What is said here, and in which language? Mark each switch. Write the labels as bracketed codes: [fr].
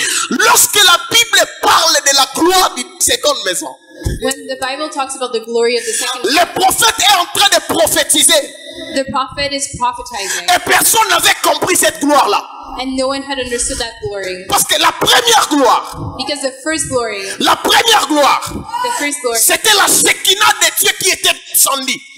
[fr] Lorsque la Bible parle de la gloire de la seconde maison. [en] When the Bible talks about the glory of the second [fr] maison. Le prophète est en train de prophétiser. [en] The prophet is prophesying. [fr] Et personne n'avait compris cette gloire là. [en] And no one had understood that glory. [fr] Parce que la première gloire. [en] Because the first glory. [fr] La première gloire. [en] The first glory. [fr] C'était la Shekinah de Dieu qui était descendue.